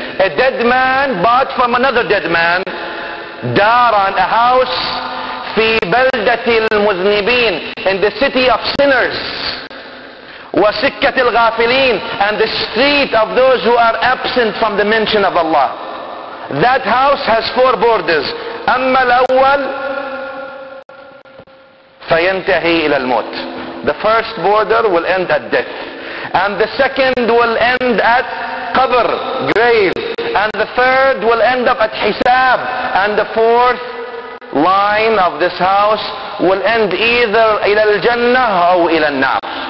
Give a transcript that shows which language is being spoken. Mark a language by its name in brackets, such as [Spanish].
[English] A dead man bought from another dead man, [Arabic] daran, [English] a house, [Arabic] fi baldati al-muznibin, [English] in the city of sinners. [Arabic] وسكت الغافلين, [English] and the street of those who are absent from the mention of Allah. That house has four borders. [Arabic] أما الأول فينتهي إلى الموت. [English] The first border will end at death, and the second will end at قبر, grave, and the third will end up at حساب, and the fourth line of this house will end either [Arabic] إلى الجنة أو إلى النار.